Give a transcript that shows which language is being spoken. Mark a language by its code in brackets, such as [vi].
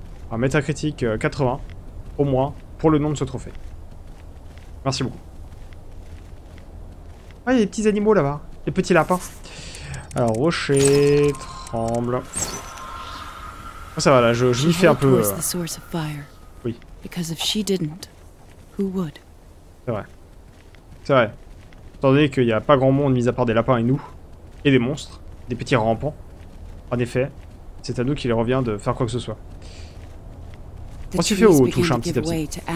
[fr] Un métacritique 80. Au moins. Pour le nom de ce trophée. Merci beaucoup. Ah, il y a des petits animaux là-bas. Des petits lapins. Alors, rocher, tremble. Oh, ça va, là, je m'y fais un peu. Oui. [en] Because if she didn't, who would? [fr] C'est vrai. C'est vrai. Étant donné qu'il n'y a pas grand monde, mis à part des lapins et nous. Et des monstres. Des petits rampants. En effet, c'est à nous qu'il revient de faire quoi que ce soit. On s'y fait ou on touche un petit à petit?